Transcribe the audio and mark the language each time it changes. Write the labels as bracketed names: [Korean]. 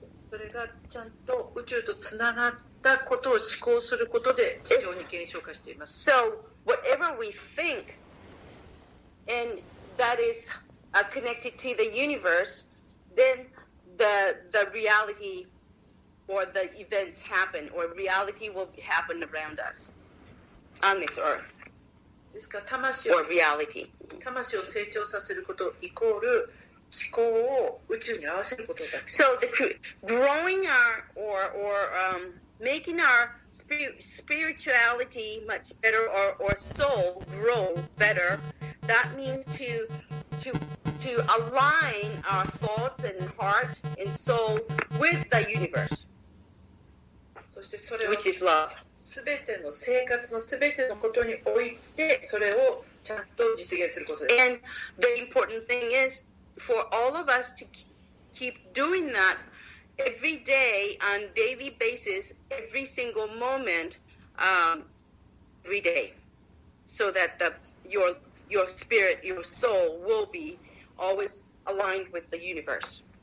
[Japanese] それがちゃんと宇宙とつながったことを思考することで地上に現象化しています。 [English] So whatever we think, and that is connected to the universe, then the reality or the events happen, or reality will happen around us on this earth. [Japanese] ですから魂を成長させることイコール思考を宇宙に合わせることだ。 [English] So the growing our or making our spirituality much better or soul grow better, that means to align our thoughts and heart and soul with the universe. [Japanese] そしてそれは。全ての生活の全てのことにおいてそれをちゃんと実現することです。 [English] And the important thing is for all of us to keep doing that every day on a daily basis, every single moment, every day, so that your spirit, your soul will be always aligned with the universe.